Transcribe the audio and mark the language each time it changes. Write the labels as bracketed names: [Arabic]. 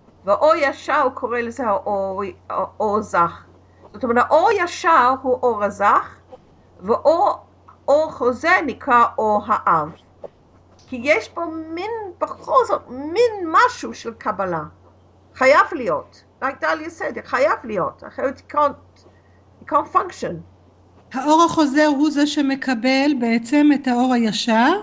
[Hebrew] והאור ישר הוא קורא לזה האור זך. זאת אומרת, האור ישר הוא אור הזך, ואור חוזר נקרא אור האב. כי יש פה מין, בכל זאת, מין משהו של קבלה. חייב להיות. [English] Like Dahlia said, it [Hebrew] חייב להיות. אחרת [English] it can't function. [Hebrew] האור החוזר הוא זה שמקבל בעצם את האור הישר.